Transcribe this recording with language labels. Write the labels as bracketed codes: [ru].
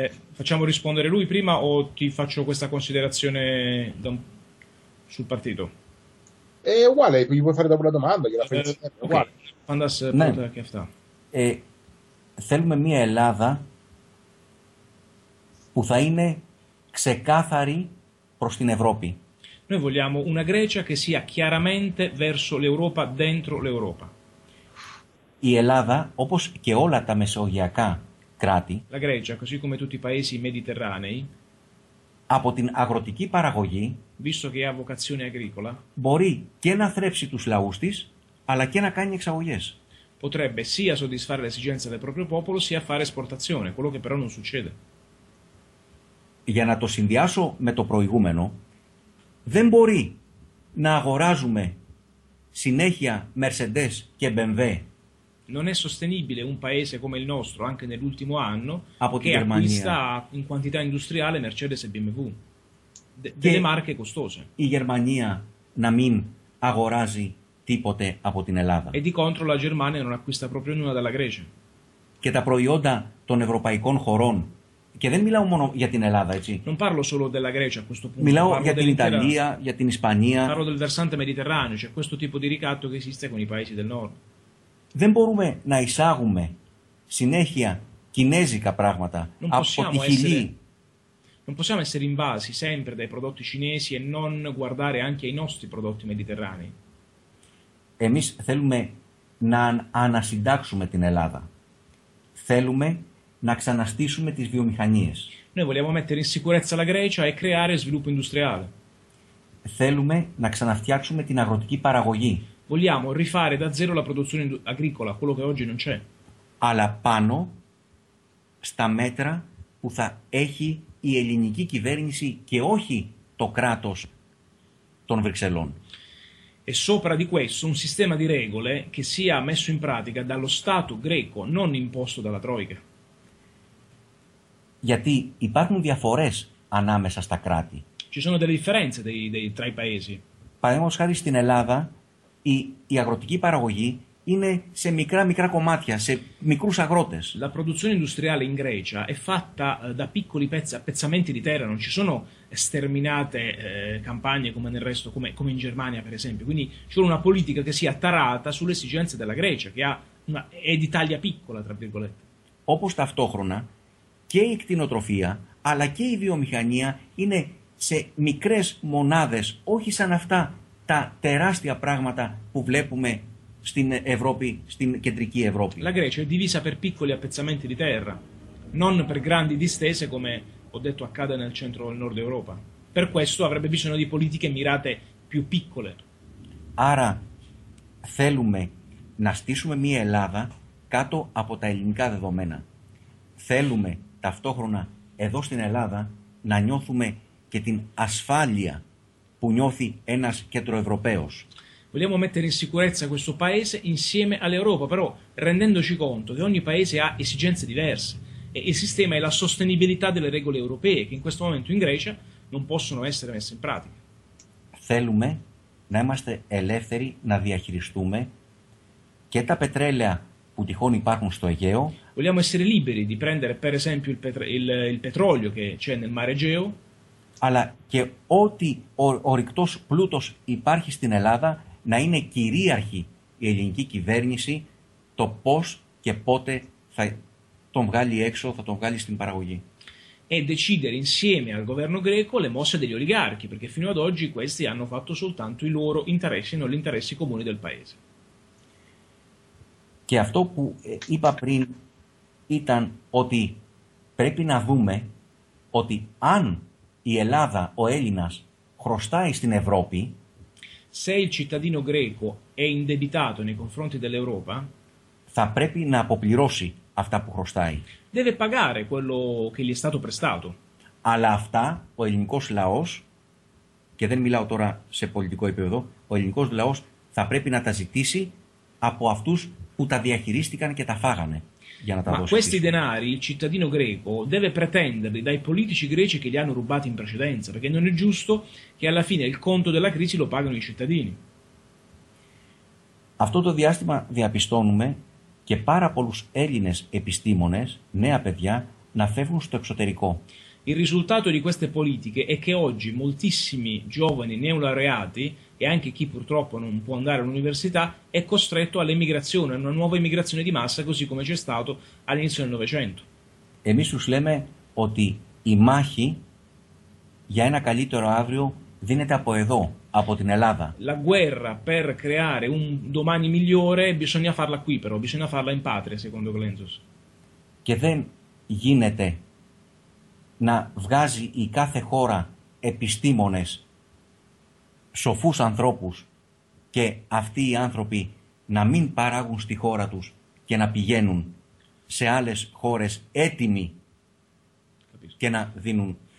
[it] Facciamo rispondere lui prima o ti faccio questa considerazione sul partito? È uguale, gli puoi fare dopo la domanda, gliela fai uguale. [el] Fandas, ναι. Πρώτα και αυτά. Θέλουμε μια Ελλάδα που θα είναι ξεκάθαρη προς την Ευρώπη. [it] Noi vogliamo una Grecia che sia chiaramente verso l'Europa, dentro l'Europa. [el] Η Ελλάδα, όπως και όλα τα μεσογειακά κράτη, [it] la Grecia, così come tutti i paesi mediterranei, [el] από την αγροτική παραγωγή, [it] visto che ha vocazione agricola, [el] μπορεί και να θρέψει τους λαούς της, αλλά και να κάνει εξαγωγές. [it] Potrebbe sia soddisfare le esigenze del proprio popolo, sia fare esportazione, quello che però non succede. [el] Για να το συνδυάσω με το προηγούμενο, δεν μπορεί να αγοράζουμε συνέχεια Mercedes και BMW. [it] Non è sostenibile un paese come il nostro, anche nell'ultimo anno, che acquista in quantità industriale Mercedes e BMW, delle marche costose. [el] Η Γερμανία να μην αγοράζει τίποτε από την Ελλάδα. [it] E di contro la Germania non acquista proprio nulla dalla Grecia. [el] Και τα προϊόντα των ευρωπαϊκών χωρών, και δεν μιλάω μόνο για την Ελλάδα, έτσι. [it] Non parlo solo della Grecia a questo punto. [el] Μιλάω για την Ιταλία, για την Ισπανία. [it] Parlo del versante mediterraneo, cioè questo tipo di ricatto che esiste con i paesi del nord. [el] Δεν μπορούμε να εισάγουμε συνέχεια κινέζικα πράγματα από τη Χιλή. [it] Non possiamo essere invasi sempre dai prodotti cinesi e non guardare anche ai nostri prodotti mediterranei. [el] Εμείς θέλουμε να ανασυντάξουμε την Ελλάδα. Θέλουμε να ξαναστήσουμε τις βιομηχανίες. [it] Noi vogliamo mettere in sicurezza la Grecia e creare sviluppo industriale. [el] Θέλουμε να ξαναφτιάξουμε την αγροτική παραγωγή. [it] Vogliamo rifare da zero la produzione agricola, quello che oggi non c'è. [el] Αλλά πάνω στα μέτρα που θα έχει η ελληνική κυβέρνηση και όχι το κράτος των Βρυξελών. [it] E sopra di questo un sistema di regole che sia messo in pratica dallo Stato greco, non imposto dalla Troika. [el] Γιατί υπάρχουν διαφορές ανάμεσα στα κράτη. [it] Ci sono delle differenze tra i paesi. [el] Παραδείγματος χάρη στην Ελλάδα, η αγροτική παραγωγή είναι σε μικρά κομμάτια, σε μικρούς αγρότες. [it] La produzione industriale in Grecia è fatta da piccoli pezzi, appezzamenti di terra, non ci sono sterminate campagne come nel resto, come in Germania per esempio. Quindi ci vuole una politica che sia tarata sulle esigenze della Grecia, che è di taglia piccola, tra virgolette. [el] Όπως ταυτόχρονα και η κτηνοτροφία, αλλά και η βιομηχανία είναι σε μικρές μονάδες, όχι σαν αυτά τα τεράστια πράγματα που βλέπουμε στην Ευρώπη, στην κεντρική Ευρώπη. [it] La Grecia è divisa per piccoli appezzamenti di terra, non per grandi distese come ho detto accade nel centro del nord Europa. Per questo avrebbe bisogno di politiche mirate più piccole. [el] Άρα θέλουμε να στήσουμε μια Ελλάδα κάτω από τα ελληνικά δεδομένα. Θέλουμε ταυτόχρονα εδώ στην Ελλάδα να νιώθουμε και την ασφάλεια που νιώθει ένας κεντροευρωπαίος. [it] Vogliamo mettere in sicurezza questo paese insieme all'Europa, però rendendoci conto che ogni paese ha esigenze diverse e il sistema è la sostenibilità delle regole europee che in questo momento in Grecia non possono essere messe in pratica. [el] Θέλουμε να είμαστε ελεύθεροι να διαχειριστούμε και τα πετρέλαια που τυχόν υπάρχουν στο Αιγαίο. [it] Vogliamo essere liberi di prendere per esempio il petrolio che c'è nel mare Egeo. [el] Αλλά και ό,τι ορυκτός πλούτος υπάρχει στην Ελλάδα, να είναι κυρίαρχη η ελληνική κυβέρνηση το πώς και πότε θα τον βγάλει έξω, θα τον βγάλει στην παραγωγή. [it] e decidere insieme al governo greco le mosse degli oligarchi, perché fino ad oggi questi hanno fatto soltanto i loro interessi, non gli interessi comuni del paese. [el] Και αυτό που είπα πριν ήταν ότι πρέπει να δούμε ότι αν η Ελλάδα, ο Έλληνας, χρωστάει στην Ευρώπη, [it] se il cittadino greco è indebitato nei confronti dell'Europa, [el] θα πρέπει να αποπληρώσει αυτά που χρωστάει. [it] Deve pagare quello che gli è stato prestato. [el] Αλλά αυτά ο ελληνικός λαός, και δεν μιλάω τώρα σε πολιτικό επίπεδο, ο ελληνικός λαός θα πρέπει να τα ζητήσει από αυτούς που τα διαχειρίστηκαν και τα φάγανε. Για να τα [it] Ma questi [el] πίσω. [it] Denari il cittadino greco deve pretenderli dai politici greci che li hanno rubati in precedenza, perché non è giusto che alla fine il conto della crisi lo pagano i cittadini. [el] Αυτό το διάστημα διαπιστώνουμε και πάρα πολλούς Έλληνες επιστήμονες, νέα παιδιά, να φεύγουν στο εξωτερικό. [it] Il risultato di queste politiche è che oggi moltissimi giovani neolaureati e anche chi purtroppo non può andare all'università è costretto all'emigrazione, a una nuova emigrazione di massa, così come c'è stato all'inizio del Novecento. [el] Εμείς τους λέμε ότι η μάχη για ένα καλύτερο αύριο δίνεται από εδώ, από την Ελλάδα. [it] La guerra per creare un domani migliore bisogna farla qui, però bisogna farla in patria, secondo Glenzos. [el] Και δεν γίνεται να βγάζει η κάθε χώρα επιστήμονες, σοφούς ανθρώπους, και αυτοί οι άνθρωποι να μην παράγουν στη χώρα τους και να πηγαίνουν σε άλλες χώρες έτοιμοι και να δίνουν.